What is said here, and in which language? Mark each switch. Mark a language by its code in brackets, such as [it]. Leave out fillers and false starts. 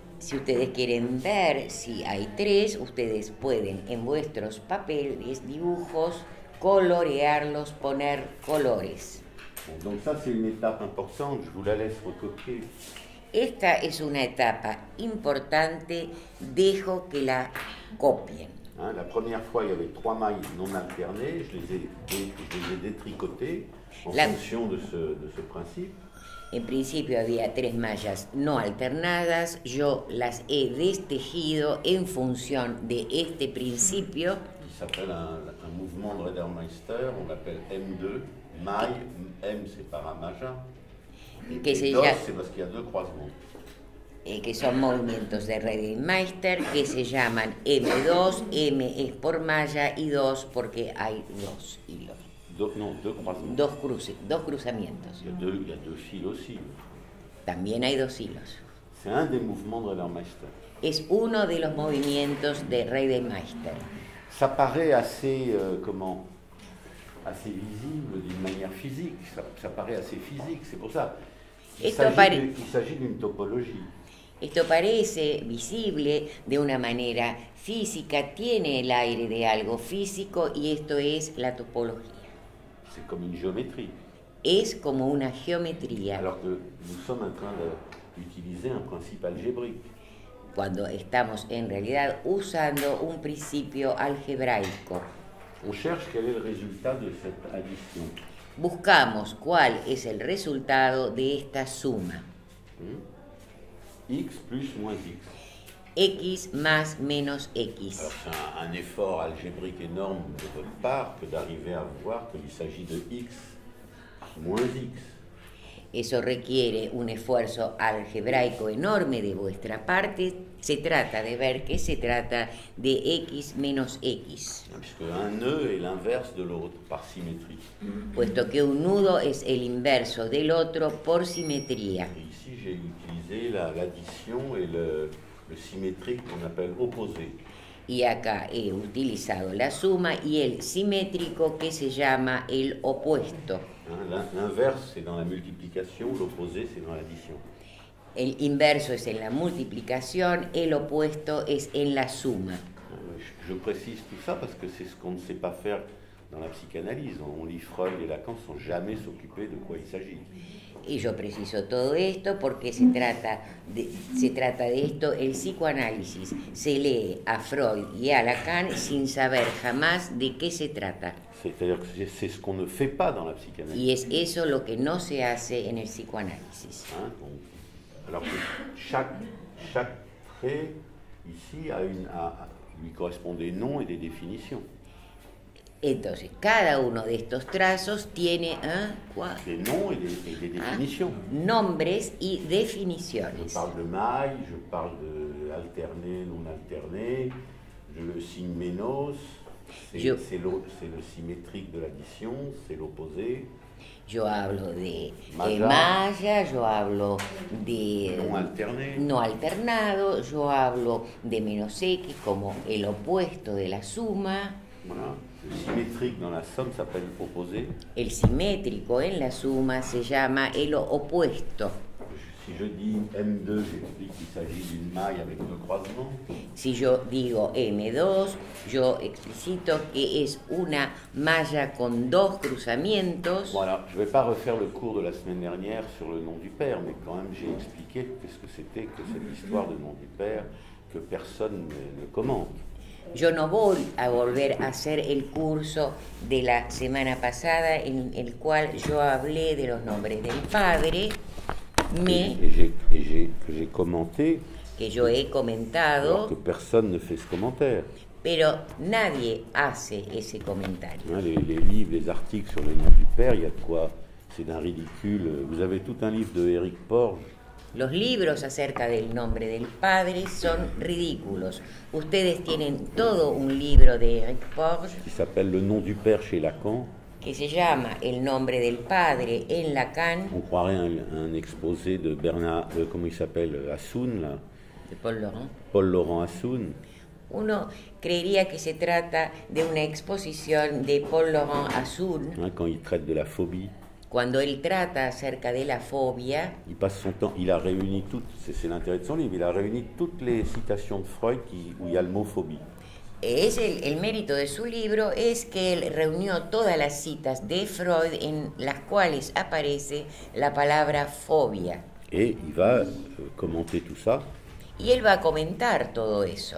[es] Si ustedes quieren ver si hay tres, ustedes pueden en vuestros papeles, dibujos, colorearlos, poner colores. [fr] Donc ça, c'est une étape importante, je vous la laisse recopier. [es] Esta es una etapa importante, dejo que la copien. [fr] Hein, la première fois, il y avait trois mailles non alternées, je les ai détricotées fonction de ce principe. [es] En principio había tres mallas no alternadas, yo las he destejido en función de este principio. [fr] Qui s'appelle un mouvement de Rittermeister, on l'appelle M2, maille, M c'est [es] para malla, [fr] c'est parce qu'il y a deux croisements. [es] Que son movimientos de Rittermeister que se llaman M2, M es por malla y 2 porque hay dos hilos. [fr] Deux croisements. [es] Dos cruzamientos. [fr] Il y a deux fils aussi. [es] También hay dos hilos. [fr] C'est un des mouvements de Rittermeister. [es] Es uno de los movimientos de Rittermeister. [fr] Ça paraît assez visible d'une manière physique. Ça paraît assez physique, c'est pour ça. Il s'agit d'une topologie. [es] Esto parece visible de una manera física, tiene el aire de algo físico y esto es la topología. [fr] C'est comme une géométrie. [es] Es como una geometría. [fr] Alors que nous sommes en train d'utiliser un principe algébrique. [es] Cuando estamos en realidad usando un principio algebraico. [fr] On cherche quel est le résultat de cette addition. [es] Buscamos cuál es el resultado de esta suma. [fr] X plus moins X. [es] X más menos X. [fr] Alors, c'est un effort algébrique énorme de votre part que d'arriver à voir qu'il s'agit de X moins X. [es] eso requiere un esfuerzo algebraico enorme de vuestra parte. Se trata de ver que se trata de x menos x. Un nudo es el inverso del otro por simetría. Puesto que un nudo es el inverso del otro por simetría. Y aquí he utilizado la adición y el simétrico que llamamos opuesto. Y acá he utilizado la suma y el simétrico que se llama el opuesto. [fr] L'inverse c'est dans la multiplication, l'opposé c'est dans l'addition. [es] El inverso es en la multiplicación, el opuesto es en la suma. [fr] Je précise tout ça parce que c'est ce qu'on ne sait pas faire dans la psychanalyse. On lit Freud et Lacan sans jamais s'occuper de quoi il s'agit. [es] Y yo preciso todo esto porque se trata de esto, el psicoanálisis se lee a Freud y a Lacan sin saber jamás de qué se trata. [fr] C'est-à-dire que c'est ce qu'on ne fait pas dans la psychanalyse. [es] Y es eso lo que no se hace en el psicoanálisis. [fr] Hein? Bon. Alors que chaque trait ici lui correspond des noms et des définitions. [es] Entonces, cada uno de estos trazos tiene [fr] des noms et des définitions. [es] Nombres y definiciones. [fr] Je parle de maille, je parle de alterné, non alterné, le signe menos, c'est le symétrique de l'addition, c'est l'opposé. [es] Yo hablo de malla, yo hablo de no alternado, yo hablo de menos x como el opuesto de la suma. [fr] Voilà. Le symétrique dans la somme s'appelle opposé. [es] El simétrico en la suma se llama el opuesto. [fr] Si je dis M2, j'explique qu'il s'agit d'une maille avec deux croisements. [es] Si yo digo M2, yo explicito que es una malla con dos cruzamientos. [fr] Voilà, je ne vais pas refaire le cours de la semaine dernière sur le nom du père, mais quand même j'ai expliqué qu'est-ce que c'était que cette histoire de nom du père que personne ne commente. [es] Yo no voy a volver a hacer el curso de la semana pasada en el cual yo hablé de los nombres del padre, que yo he comentado, [fr] que personne ne fait ce commentaire. [es] Pero nadie hace ese comentario. [fr] Les livres, les articles sur les noms du père, il y a de quoi, c'est d'un ridicule. Vous avez tout un livre de Eric Porge. [es] Los libros acerca del nombre del padre son ridículos. Ustedes tienen todo un libro de Eric Porge. [fr] Qui s'appelle Le nom du père chez Lacan. [es] Que se llama El nombre del padre en Lacan. [fr] On croirait un exposé de Bernard, comment il s'appelle, Assoun, là. De Paul Laurent. Paul Laurent Assoun. [es] Uno creería que se trata de una exposición de Paul Laurent Assoun. [fr] Hein, quand il traite de la phobie. [es] Cuando él trata acerca de la fobia, [fr] il passe son temps, il a réuni toutes, c'est l'intérêt de son livre, il a réuni toutes les citations de Freud où il y a le mot phobie. [es] Es el mérito de su libro es que él reunió todas las citas de Freud en las cuales aparece la palabra fobia. [fr] Et il va commenter tout ça. [es] Y él va a comentar todo eso.